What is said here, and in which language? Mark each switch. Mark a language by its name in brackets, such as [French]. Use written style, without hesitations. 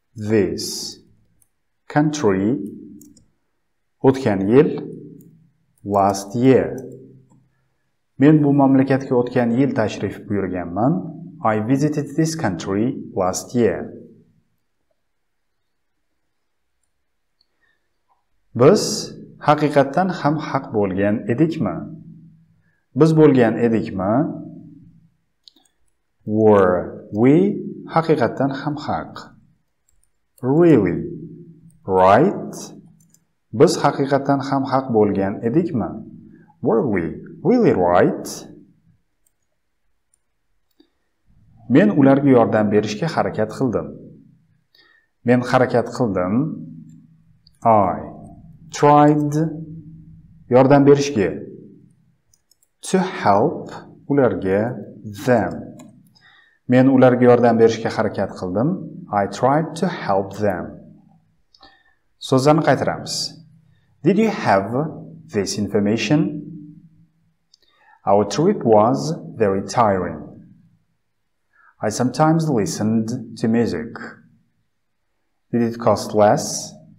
[English] This country [Uzbek] o'tgan yil. [English] Last year. [Uzbek] Men bu mamlakatga o'tgan yil tashrif buyurganman. [English] I visited this country last year. [Uzbek] Biz haqiqatdan ham haq bo'lgan edikmi? Biz bo'lgan edikmi? [English] Were we [Uzbek] haqiqatdan ham haq? [English] Really? Right? [Uzbek] Biz haqiqatan ham haq bo'lgan edikmi? [English] Were we really right? [Uzbek] Men ularga yordam berishga harakat qildim. Men harakat qildim. [English] I tried [Uzbek] yordam berishga. [English] To help [Uzbek] ularga [English] them. [Uzbek] Men ularga yordam berishga harakat qildim. [English] I tried to help them. [Uzbek] So'zlarni qaytaramiz. [English] Did you have this information? Our trip was very tiring. I sometimes listened to music. Did it cost less?